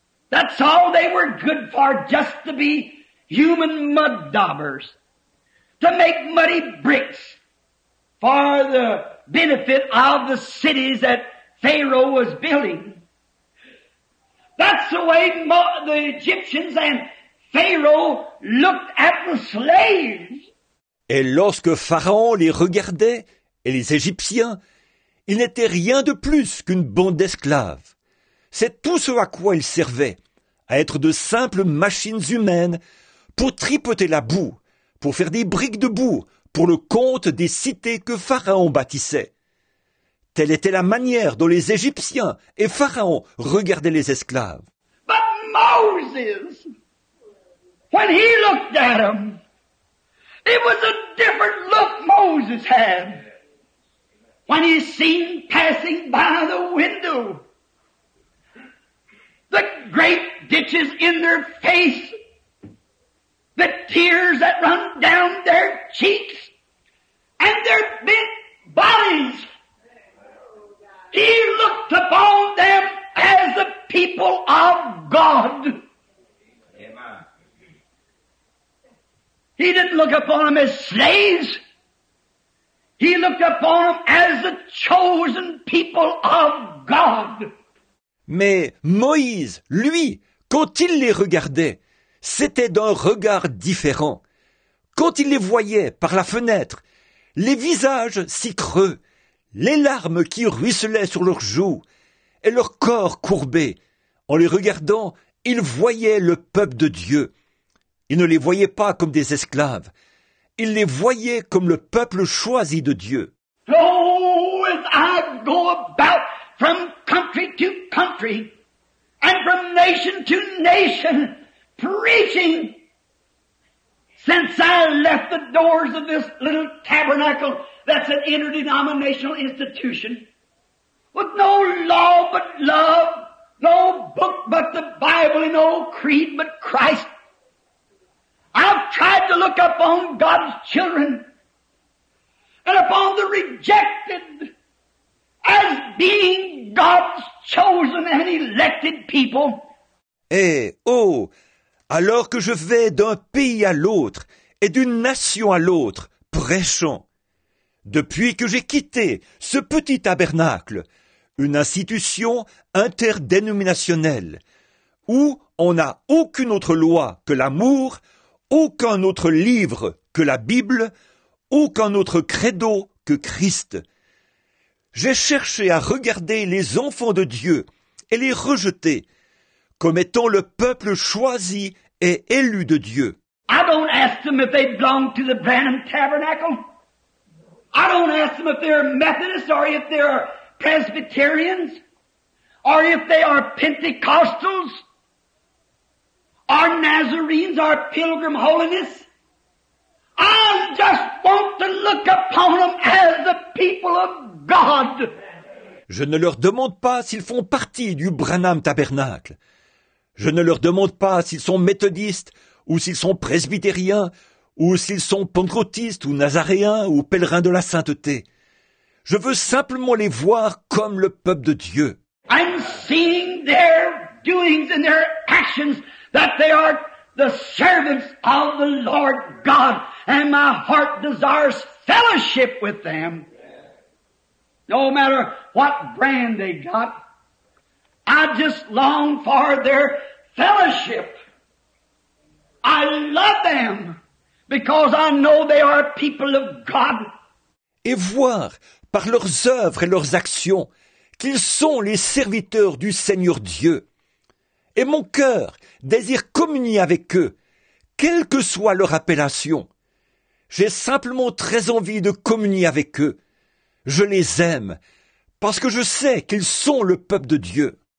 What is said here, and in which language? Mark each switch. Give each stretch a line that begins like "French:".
English: That's all they were good for, just to be human mud daubers, to make muddy bricks for the benefit of the cities that Pharaoh was building. That's the way the Egyptians and Pharaoh looked at the slaves.
French: Et lorsque Pharaon les regardait, et les Égyptiens, ils n'étaient rien de plus qu'une bande d'esclaves. C'est tout ce à quoi ils servaient, à être de simples machines humaines pour tripoter la boue, pour faire des briques de boue pour le compte des cités que Pharaon bâtissait. Telle était la manière dont les Égyptiens et Pharaon regardaient les esclaves.
English: But Moses, when he looked at them, it was a different look Moses had. When he seen passing by the window, the great ditches in their face, the tears that run down their cheeks, and their bent bodies, he looked upon them as the people of God. Amen. He didn't look upon them as slaves. He looked upon them as the chosen people of God.
French: Mais Moïse, lui, quand il les regardait, c'était d'un regard différent. Quand il les voyait par la fenêtre, les visages si creux, les larmes qui ruisselaient sur leurs joues et leurs corps courbés, en les regardant, il voyait le peuple de Dieu. Il ne les voyait pas comme des esclaves. Il les voyait comme le peuple choisi de Dieu.
English: Oh, as I go about from country to country and from nation to nation preaching, since I left the doors of this little tabernacle that's an interdenominational institution, With no law but love, no book but the Bible, and no creed but Christ. I've tried to look upon God's children and upon the rejected as being God's chosen and elected people.
French: Et, oh, alors que je vais d'un pays à l'autre et d'une nation à l'autre, prêchant, depuis que j'ai quitté ce petit tabernacle, une institution interdénominationnelle, où on n'a aucune autre loi que l'amour, aucun autre livre que la Bible, aucun autre credo que Christ. J'ai cherché à regarder les enfants de Dieu et les rejeter comme étant le peuple choisi et élu de Dieu.
English: I don't ask them if they belong to the Branham Tabernacle. I don't ask them if they're Methodists or if they're Presbyterians or if they are Pentecostals. Are Nazarenes, are Pilgrim Holiness. I just want to look upon them as the people of God.
French: Je ne leur demande pas s'ils font partie du Branham Tabernacle. Je ne leur demande pas s'ils sont méthodistes, ou s'ils sont presbytériens, ou s'ils sont pentecôtistes, ou nazaréens, ou pèlerins de la sainteté. Je veux simplement les voir comme le peuple de Dieu.
English: I'm seeing their doings and their actions. That they are the servants of the Lord God, and my heart desires fellowship with them. No matter what brand they got, I just long for their fellowship. I love them because I know they are people of God.
French: Et voir par leurs œuvres et leurs actions qu'ils sont les serviteurs du Seigneur Dieu. Et mon cœur désire communier avec eux, quelle que soit leur appellation. J'ai simplement très envie de communier avec eux. Je les aime, parce que je sais qu'ils sont le peuple de Dieu.